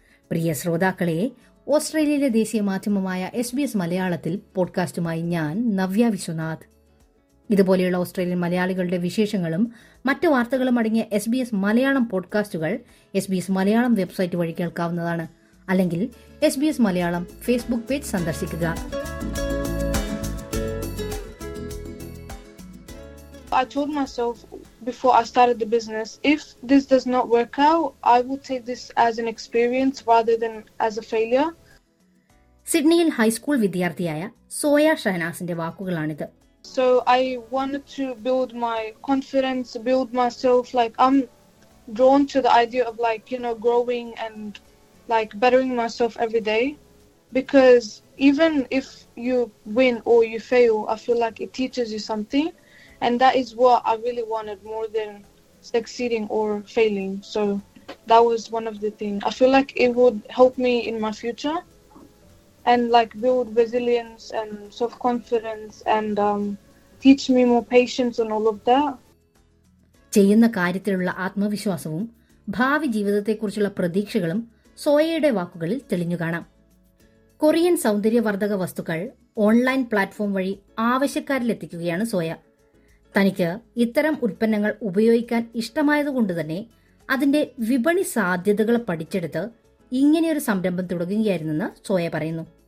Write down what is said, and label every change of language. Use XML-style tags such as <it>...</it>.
<ml>പ്രിയ ശ്രോതാക്കളെ, ഓസ്ട്രേലിയയിലെ ദേശീയ മാധ്യമമായ SBS മലയാളത്തിൽ പോഡ്കാസ്റ്റുമായി ഞാൻ നവ്യ വിശ്വനാഥ്. ഇതുപോലെയുള്ള ഓസ്ട്രേലിയൻ മലയാളികളുടെ വിശേഷങ്ങളും മറ്റു വാർത്തകളും അടങ്ങിയ SBS Malayalam പോഡ്കാസ്റ്റുകൾ SBS Malayalam website വഴി കേൾക്കാവുന്നതാണ്. അല്ലെങ്കിൽ SBS മലയാളം ഫേസ്ബുക്ക് പേജ് സന്ദർശിക്കുക.</ml> <en>I told myself before I started the business, if this does not work out, I will take this as an experience rather than as a failure.</en> <ml>സിഡ്നിയിൽ high school വിദ്യാർത്ഥിയായ soya ഷഹനാസിന്റെ വാക്കുകളാണിത്.</ml> <en>So I wanted to build my confidence, build myself, like I'm drawn to the idea of like, you know, growing and like bettering myself every day. Because even if you win or you fail, I feel like it teaches you something. And that is what I really wanted more than succeeding or failing. So that was one of the things. I feel like it would help me in my future and like build resilience and self-confidence and teach me more patience and all of that.</en> <ml>ചെയ്യുന്ന കാര്യത്തിലുള്ള ആത്മവിശ്വാസവും ഭാവി ജീവിതത്തെക്കുറിച്ചുള്ള പ്രതീക്ഷകളും സോയയുടെ വാക്കുകളിൽ തെളിഞ്ഞുകാണാം. Korean സൗന്ദര്യവർദ്ധക വസ്തുക്കൾ online platform വഴി ആവശ്യക്കാരിൽ എത്തിക്കുകയാണ് സോയ. തനിക്ക് ഇത്തരം ഉൽപ്പന്നങ്ങൾ ഉപയോഗിക്കാൻ ഇഷ്ടമായതുകൊണ്ട് തന്നെ അതിന്റെ വിപണി സാധ്യതകൾ പഠിച്ചെടുത്ത് ഇങ്ങനെയൊരു സംരംഭം തുടങ്ങുകയായിരുന്നെന്ന് സോയ പറയുന്നു.</ml>